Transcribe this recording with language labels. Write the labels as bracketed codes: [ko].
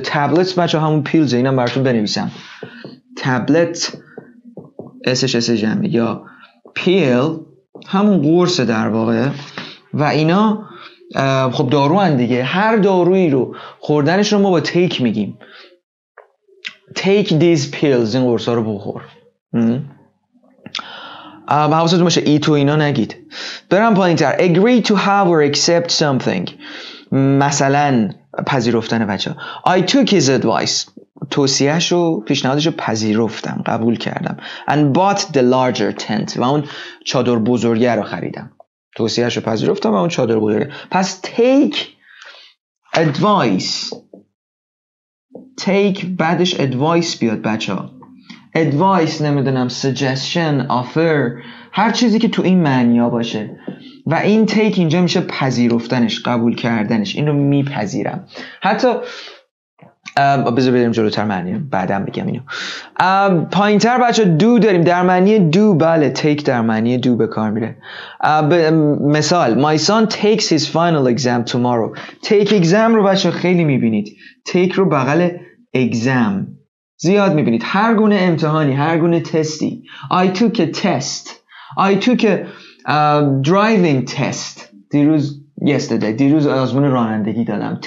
[fa] تبلت بچه همون پیلز، اینم براتون بنویسم. تبلت اسش اس جمعه یا پیل همون قرصه در واقع. و اینا خب دارو هن دیگه. هر دارویی رو خوردنش رو ما با تیک میگیم. [en] Take these pills. [fa] این قرصا رو بخور. حواستون باشه ای تو اینا نگید. برم پایین تر. [en] Agree to have or accept something. [fa] مثلا پذیرفتن بچه. [en] I took his advice. [fa] توصیهش و پیشنهادش رو پذیرفتم. قبول کردم. [en] And bought the larger tent. [fa] و اون چادر بزرگه رو خریدم. توصیهش رو پذیرفتم و اون چادر بزرگه. پس take advice. Take بعدش advice بیاد بچه ها. Advice نمیدونم suggestion offer هر چیزی که تو این معنی ها باشه. و این take اینجا میشه پذیرفتنش، قبول کردنش، این رو میپذیرم. حتی بذار بریم جلوتر معنی بعدم بگم اینو. پایین تر بچه دو داریم در معنی دو. بله take در معنی دو به کار میره. [en] مثال my son takes his final exam tomorrow. [fa] take exam رو بچه خیلی میبینید. take رو بغل exam زیاد میبینید. هر گونه امتحانی، هر گونه تستی. [en] I took a test. I took a driving test. دیروز yesterday. [fa] دیروز آزمون رانندگی دادم.